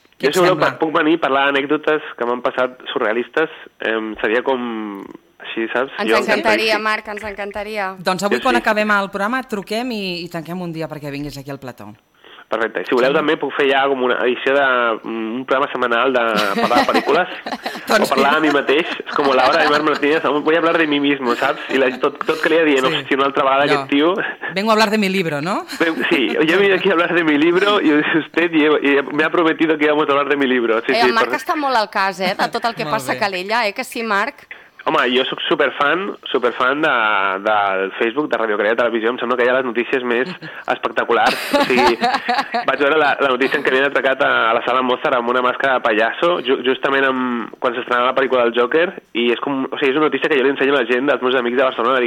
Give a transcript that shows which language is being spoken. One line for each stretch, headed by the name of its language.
Catalan: Jo segurament puc venir a parlar d'anècdotes que m'han passat surrealistes. Seria com... Així, saps? Ens encantaria, Marc. Doncs avui, quan acabem el programa, truquem i tanquem un dia perquè vinguis aquí al plató. Perfecte. Si voleu, sí, també puc fer ja com una edició d'un programa setmanal de parlar de pel·lícules o parlar a mi mateix. És com l'hora de Marc Martínez. Vull
Spanish: hablar de mi mismo, saps?
Catalan: I tot calia dir, no, si una altra vegada no. Aquest tio...
Spanish: Vengo a hablar de mi libro, ¿no? Sí, yo he venido aquí a hablar de mi libro y usted y me ha prometido que íbamos a hablar de mi libro.
Catalan: Sí, sí, Marc per... està molt al cas, de tot el que passa a Calella, que sí, Marc? Home, jo sóc superfan del Facebook, de Radio Calella Televisió. Em sembla que hi ha les notícies més espectaculars. O sigui, vaig veure la notícia en què havien atracat a la sala Mozart amb una màscara de pallasso, justament quan s'estrenava la pel·lícula del Joker, i és com, o sigui, és una notícia que jo li ensenyo a la gent dels meus amics de Barcelona.